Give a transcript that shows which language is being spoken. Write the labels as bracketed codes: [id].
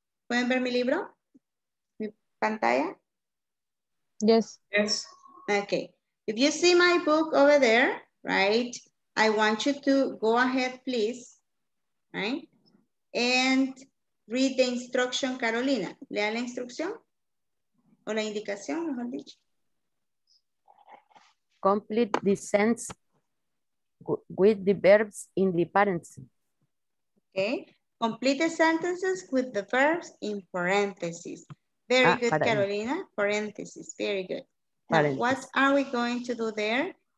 [es] ¿Pueden ver mi libro? ¿Mi pantalla? [en] Yes. Yes. Okay. If you see my book over there, right? I want you to go ahead, please, right? And read the instruction, Carolina. [es] Lea la instrucción o la indicación, mejor dicho. [en] Complete the sentence with the verbs in the parentheses. Okay. Complete the sentences with the verbs in parentheses. Very good, Carolina. Parentheses. Very good. Now, what are we going to do there?